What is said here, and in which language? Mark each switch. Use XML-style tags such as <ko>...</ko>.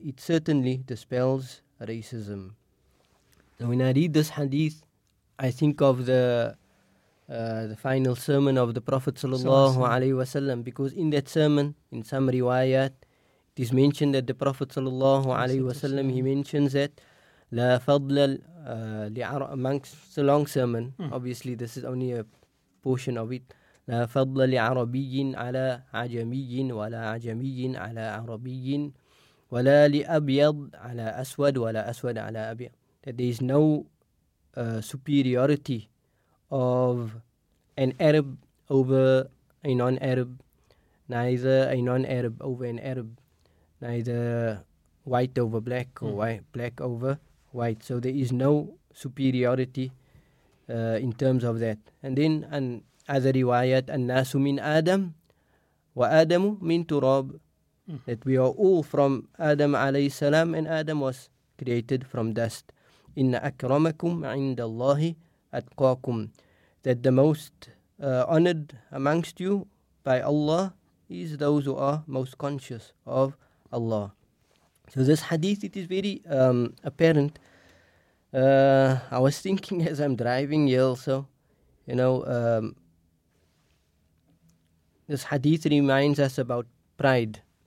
<en>It certainly dispels racism. So when I read this hadith, I think of the final sermon of the Prophet sallallahu alaihi wasallam, because in that sermon, in some riwayat, it is mentioned that the Prophet sallallahu alaihi wasallam, he mentions that la fadl amongst a long sermon. Obviously, this is only a portion of it.</en> <ar>لا فضل لعربي على عجمي ولا عجمي على عربي ولا لأبيض على أسود ولا أسود على أبيض.</ar> <en>That there is no superiority of an Arab over a non-Arab, neither a non-Arab over an Arab, neither white over black or white black over white. So there is no superiority in terms of that. And then and other riwayat,</en> <ar>الناس من آدم وآدم من تراب.</ar> <en>That we are all from Adam عليه السلام, and Adam was created from dust.</en> <ar>إن أكرمكم عند الله أتقاكم.</ar> <en>That the most honored amongst you by Allah is those who are most conscious of Allah. So this hadith, it is very apparent. I was thinking as I'm driving here also, you know, this hadith reminds us about pride.</en>